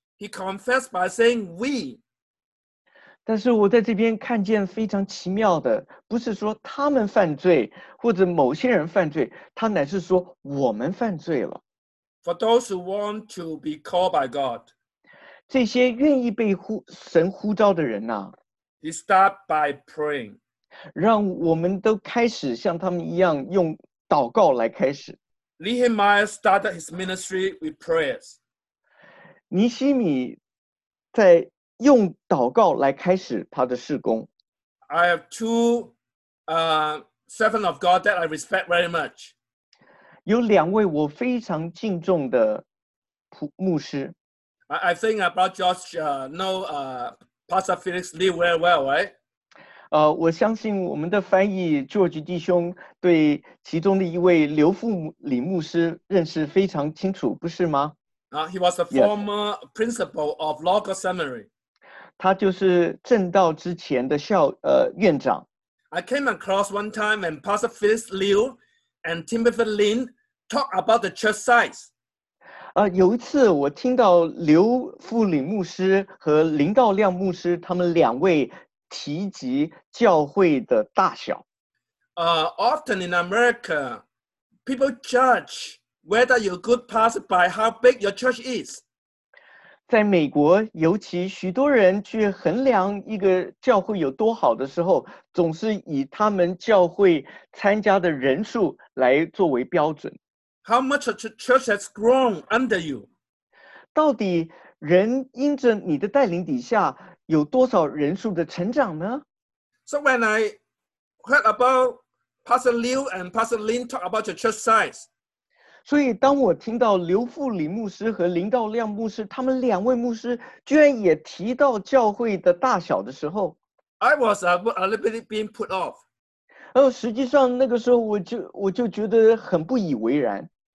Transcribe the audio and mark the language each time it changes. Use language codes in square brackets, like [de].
[en] He confessed by saying we. [zh] 但是我在这边看见非常奇妙的，不是说他们犯罪，或者某些人犯罪，他乃是说我们犯罪了。 [en] For those who want to be called by God. [zh] 这些愿意被神呼召的人啊。 [en] He start by praying. [zh] 让我们都开始像他们一样用祷告来开始。 [en] Nehemiah started his ministry with prayers. [zh] 尼希米在用祷告来开始他的事工。 [en] I have two servants of God that I respect very much. [zh] 有两位我非常敬重的牧师。 [en] I think about George, know Pastor Felix Lee very well, right? [zh] 我相信我们的翻译 George 弟兄对其中的一位刘富里牧师认识非常清楚，不是吗？ [en] He was a former principal of Logos Seminary. [zh] 他就是正道之前的院长。 [en] I came across one time when Pastor Phyllis Liu and Timothy Lin talked about the church size. [zh] 有一次我听到刘富里牧师和林道亮牧师他们两位提及教会的大小。 [en] Often in America, people judge whether you're a good pastor by how big your church is. [zh] 在美国，尤其许多人去衡量一个教会有多好的时候，总是以他们教会参加的人数来作为标准。 [en] How much a church has grown under you? [zh] 到底人因着你的带领底下有多少人数的成长呢？ [en] So when I heard about Pastor Liu and Pastor Lin talk about your church size, [zh] 所以当我听到刘富里牧师和林道亮牧师他们两位牧师居然也提到教会的大小的时候， [en] I was a little bit being put off. [zh] 实际上那个时候我就觉得很不以为然。